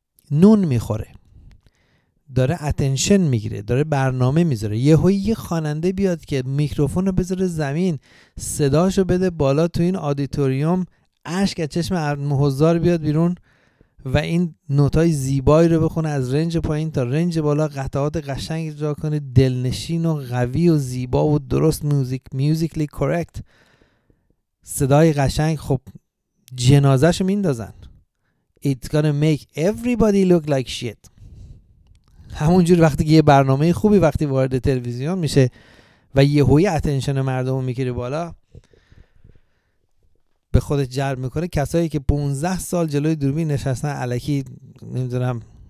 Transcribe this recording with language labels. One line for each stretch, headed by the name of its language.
Persian: نون میخوره، داره اتنشن میگیره، داره برنامه میذاره، یهو یه خواننده بیاد که میکروفون رو بذاره زمین، صداشو بده بالا تو این آدیتوریوم، عشق از چشم حضار بیاد بیرون و این نوتای زیبایی رو بخونه از رنج پایین تا رنج بالا، قطعات قشنگ اجرا کنه، دلنشین و قوی و زیبا و درست،
English: musically correct,
Persian: صدای قشنگ، خب جنازهشو میندازن.
English: It's gonna make everybody look like shit.
Persian: همونجور وقتی که یه برنامه خوبی وقتی وارد تلویزیون میشه و یه هوی اتنشن مردم میگیره بالا، به خودت جلب میکنه، کسایی که 15 سال جلوی دوربین نشستن علکی نمیدونم